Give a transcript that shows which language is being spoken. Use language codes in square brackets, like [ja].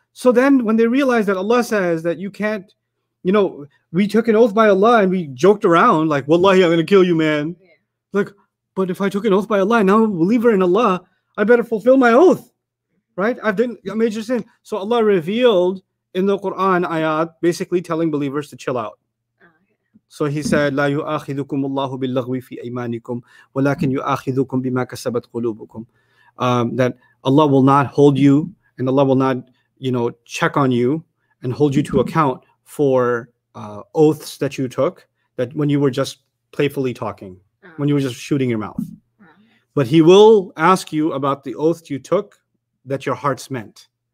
[en] So then when they realized that Allah says that you can't, you know, we took an oath by Allah and we joked around, like, wallahi, I'm going to kill you, man. Yeah. Like, but if I took an oath by Allah, now I'm a believer in Allah, I better fulfill my oath. Right? I've done a major sin. So Allah revealed in the Quran ayat basically telling believers to chill out. So he said, [ar] لا يؤاخذكم الله باللغو في أيمانكم ولكن يؤاخذكم بما كسبت قلوبكم. [en] That Allah will not hold you and Allah will not, you know, check on you and hold you to account for oaths that you took, that when you were just playfully talking, when you were just shooting your mouth. But he will ask you about the oath you took that your hearts meant.